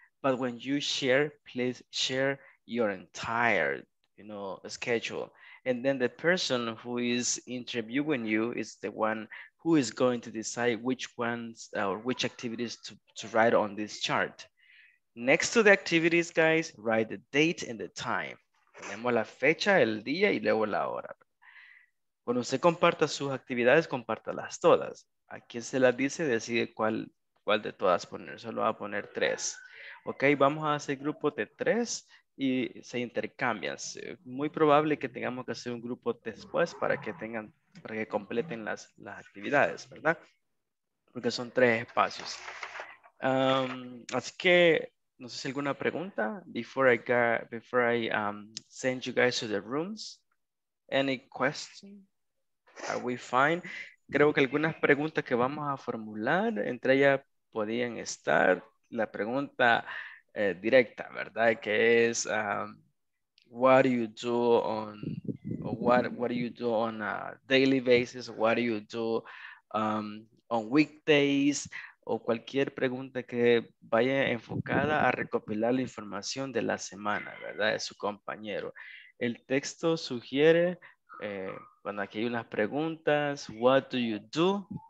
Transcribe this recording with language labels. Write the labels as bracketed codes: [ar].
[en] But when you share, please share your entire, you know, schedule. And then the person who is interviewing you is the one who is going to decide which ones or which activities to write on this chart. Next to the activities, guys, write the date and the time. [es] Tenemos la fecha, el día y luego la hora. Cuando usted comparta sus actividades, compártalas todas. A quien se las dice, decide cuál de todas poner. Solo va a poner 3. Ok, vamos a hacer grupos de 3 y se intercambian. Muy probable que tengamos que hacer un grupo después para que tengan, para que completen las actividades, ¿verdad? Porque son 3 espacios. Así que, no sé si alguna pregunta. [en] Before I send you guys to the rooms. Any question? Are we fine? [es] Creo que algunas preguntas que vamos a formular, entre ellas podían estar la pregunta directa, ¿verdad? Que es, [en] what do you do on... What do you do on a daily basis? What do you do on weekdays? [es] O cualquier pregunta que vaya enfocada a recopilar la información de la semana, ¿verdad? De su compañero. El texto sugiere, cuando aquí hay unas preguntas, [en] what do you do?